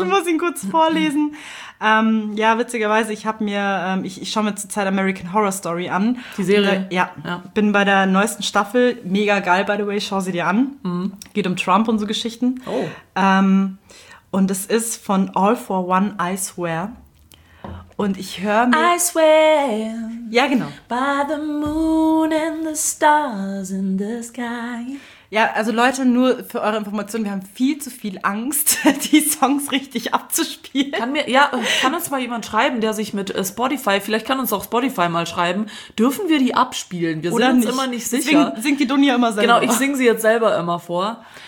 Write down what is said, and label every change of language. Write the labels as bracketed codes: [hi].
[de] Ich muss ihn kurz vorlesen. witzigerweise, ich schaue mir zurzeit American Horror Story an. Die Serie? Bin bei der neuesten Staffel. Mega geil, [en] by the way, [de] schau sie dir an. Mhm. Geht um Trump und so Geschichten. Oh. Und es ist von All for One, I Swear. Und ich höre mir... [en] I swear... [de] Ja, genau. [en] By the moon and the stars in the sky. [de] Ja, also Leute, nur für eure Information, wir haben viel zu viel Angst, die Songs richtig abzuspielen. Kann uns mal jemand schreiben, der sich mit Spotify, vielleicht kann uns auch Spotify mal schreiben, dürfen wir die abspielen? Wir sind uns immer nicht sicher. Deswegen singt die Dunja immer selber. Genau, ich singe sie jetzt selber immer vor.